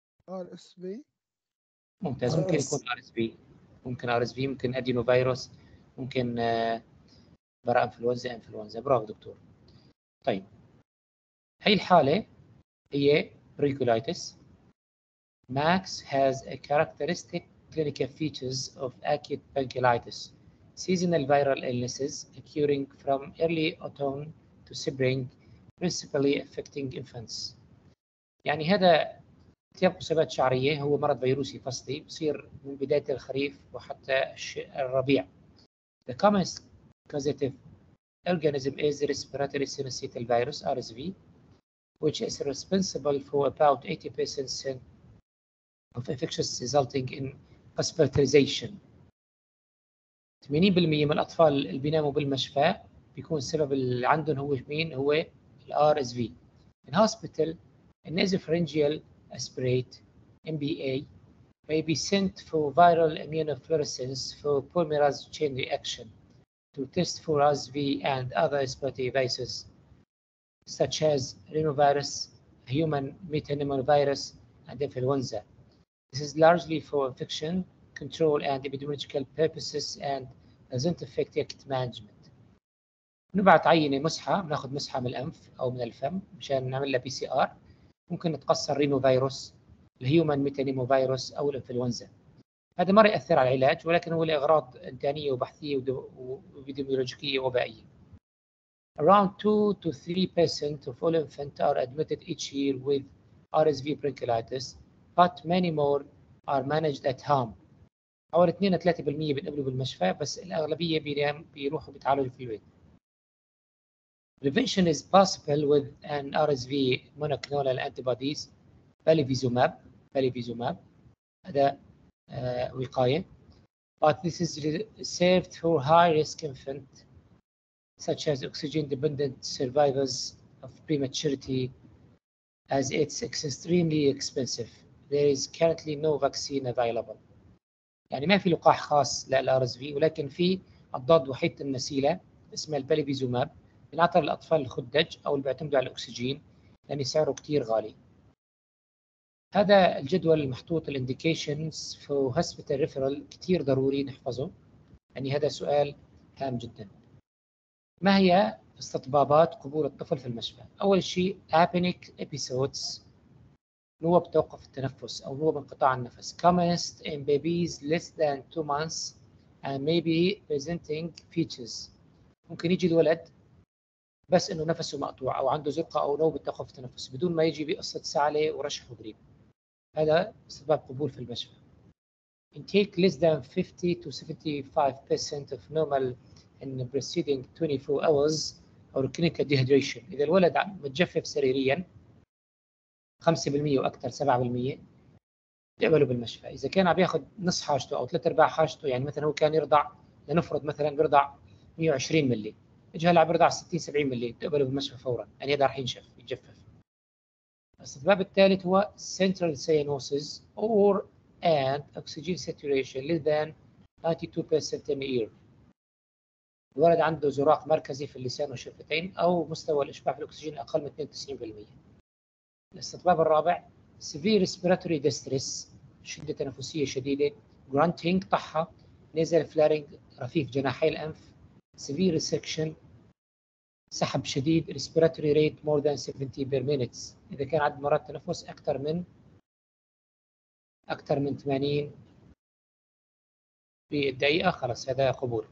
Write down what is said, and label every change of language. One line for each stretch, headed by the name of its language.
English: RSV.
Arabic: ممتاز، ممكن يكون RSV، ممكن RSV، ممكن ادينو فيروس، ممكن براء انفلونزا، انفلونزا. برافو دكتور. طيب هاي الحالة هي بريكولايتس.
English: Max has a characteristic clinical features of acute bronchiolitis. Seasonal viral illnesses occurring from early autumn to spring, principally affecting infants.
Arabic: يعني هذا التهاب سبات شعرية، هو مرض فيروسي فصلي بصير من بداية الخريف وحتى الربيع.
English: The common causative organism is respiratory syncytial virus RSV, which is responsible for about 80% of infections resulting in hospitalization.
Arabic: 80% من الأطفال اللي بيناموا بالمشفى بيكون سبب اللي عندهم هو مين؟ هو الـ RSV.
English: In hospital, a nasopharyngeal aspirate, NBA, may be sent for viral immunofluorescence for polymerase chain reaction to test for RSV and other respiratory viruses, such as rhinovirus, human metapneumovirus, and influenza. This is largely for infection control and epidemiological purposes and doesn't affect ticket management.
Arabic: نبعت عينة مسحة، بناخذ مسحة من الأنف أو من الفم مشان نعمل لها PCR، ممكن نتقصى الرينوفيروس، الهيومن ميتانيموفيروس أو الإنفلونزا. هذا ما يأثر على العلاج، ولكن هو لأغراض إنتانية وبحثية وإبيديميولوجية وبائية.
English: Around 2-3% of all infants are admitted each year with RSV bronchiolitis, but many more are managed at home.
Arabic: حوالي 2-3% بنقبله بالمشفى، بس الأغلبية بيروحوا بيتعالجوا في البيت.
English: Prevention is possible with an RSV monoclonal antibodies, Bevacizumab, Bevacizumab,
Arabic: هذا وقاية.
English: But this is reserved for high-risk infants, such as oxygen-dependent survivors of prematurity, as it's extremely expensive. There is currently no vaccine available.
Arabic: يعني ما في لقاح خاص للRSV، ولكن في الضاد وحيد النسيلة اسمه البليفيزوماب، بنعطى للأطفال الخدج أو اللي بيعتمدوا على الأكسجين لأن سعره كتير غالي. هذا الجدول المحطوط ال
English: indications for hospital referral
Arabic: كتير ضروري نحفظه، يعني هذا سؤال هام جدا. ما هي استطبابات قبول الطفل في المشفى؟ أول شيء apneic episodes، هو بتوقف التنفس أو هو بانقطاع النفس.
English: Commenced in babies less than 2 months and maybe presenting features.
Arabic: ممكن يجي الولد بس إنه نفسه مقطوع أو عنده زرقة أو نوبة توقف التنفس بدون ما يجي بقصة سعلة ورشح وغريب. هذا سبب قبول في المشفى.
English: Intake less than 50-75% of normal in the preceding 24 hours or clinical dehydration.
Arabic: إذا الولد متجفف سريرياً 5% وأكثر 7% يقبلوا بالمشفى. إذا كان عم بياخذ نص حاجته أو ثلاث أرباع حاجته، يعني مثلا هو كان يرضع، لنفرض مثلا بيرضع 120 ملي، إجا هلا عم بيرضع 60-70 ملي، يقبلوا بالمشفى فورا، يعني هذا راح ينشف يتجفف. السبب الثالث هو
English: central cyanosis or and oxygen saturation less than 92% in the ear.
Arabic: الولد عنده زراق مركزي في اللسان والشفتين أو مستوى الإشباع في الأكسجين أقل من 92%. الاستطباب الرابع
English: severe respiratory distress،
Arabic: شدة تنفسية شديدة، grunting طحة،
English: nasal flaring
Arabic: رفيف جناحي الأنف،
English: severe resection
Arabic: سحب شديد،
English: respiratory rate more than 70 per minutes،
Arabic: إذا كان عدد مرات تنفس أكثر من 80 في الدقيقة خلاص هذا قبول.